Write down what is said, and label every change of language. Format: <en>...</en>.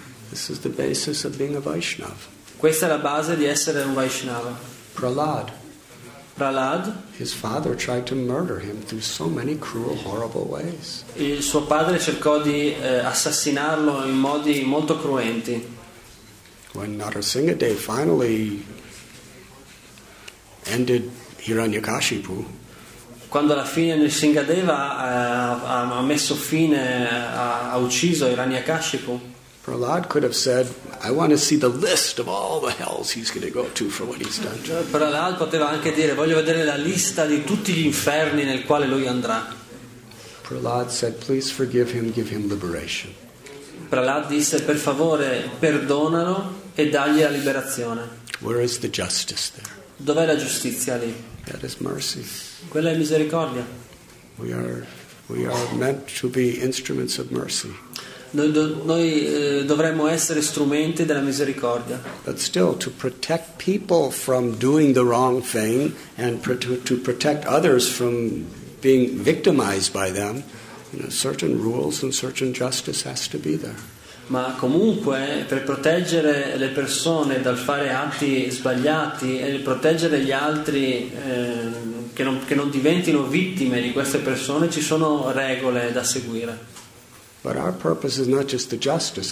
<en>This is the basis of being a Vaishnava.</en> <it>Questa è la base di essere un Vaishnava.</it> <en>Prahlad. His father tried to murder him through so many cruel, horrible ways.</en> <it>Il suo padre cercò di assassinarlo in modi molto cruenti.</it> <en>When Narasingadev finally ended Hiranyakashipu,</en> <it>quando alla fine Narasingadeva ha messo fine, ha ucciso Hiranyakashipu,</it> <en>Prahlad could have said, I want to see the list of all the hells he's going to go to for what he's done.</en> <it>Prahlad poteva anche dire, voglio vedere la lista di tutti gli inferni nel quale lui andrà.</it> <en>Prahlad said, please forgive him, give him liberation.</en> <it>Prahlad disse, per favore, perdonalo e dagli la liberazione.</it> <en>Where is the justice there?</en> <it>Dov'è la giustizia lì?</it> <en>That is mercy.</en> <it>Quella è misericordia.</it> <en>We are meant to be instruments of mercy.</en> <it>Noi dovremmo essere strumenti della misericordia.</it> <en>But still, to protect people from doing the wrong thing and to protect others from being victimized by them, you know, certain rules and certain justice has to be there.</en> <it>Ma comunque, per proteggere le persone dal fare atti sbagliati e proteggere gli altri che non diventino vittime di queste persone, ci sono regole da seguire.</it> <en>But our purpose is not just the justice.</en>